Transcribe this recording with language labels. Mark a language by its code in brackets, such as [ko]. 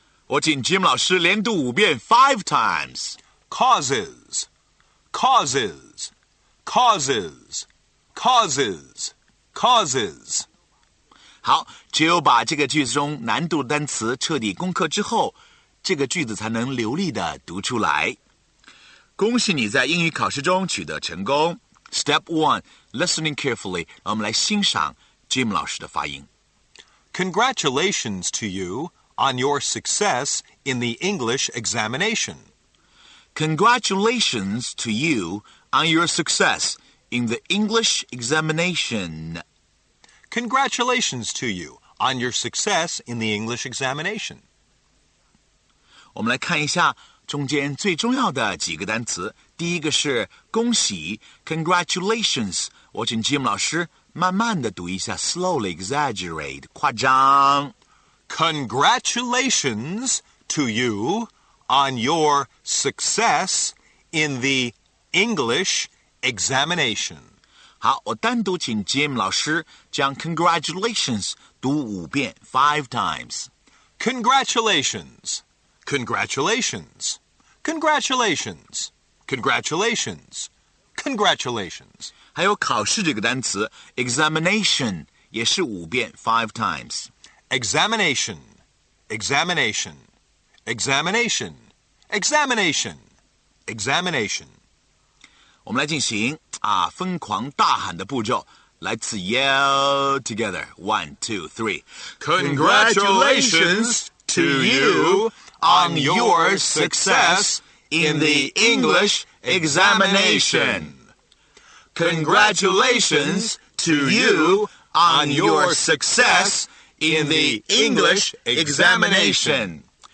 [zh] 我请 Jim 老师连读五遍 [en] Five times Causes Causes Causes Causes Causes [zh] 好，只有把这个句子中难度单词彻底攻克之后，这个句子才能流利地读出来。恭喜你在英语考试中取得成功。 [en] Step 1 Listening carefully [zh] 让我们来欣赏Jim 老师的发音。 [en] Congratulations to you on your success in the English examination. Congratulations to you on your success in the English examination. Congratulations to you on your success in the English examination. [zh] 我们来看一下中间最重要的几个单词。第一个是恭喜 ,Congratulations, 我请 Jim 老师慢慢地读一下 [en] slowly exaggerate, [zh] 夸张。 [en] Congratulations to you on your success in the English examination. [zh] 好，我单独请 Jim 老师将 congratulations 读五遍 [en] five times. Congratulations, congratulations, congratulations, congratulations, congratulations. [zh] 还有考试这个单词 examination 也是五遍 [en] five times. Examination, examination, examination, examination, examination. [zh] 我们来进行啊疯狂大喊的步骤，来自 [en] yell together. One, two, three. Congratulations to you on your success in the English examination. Congratulations to you on your success in the English examination.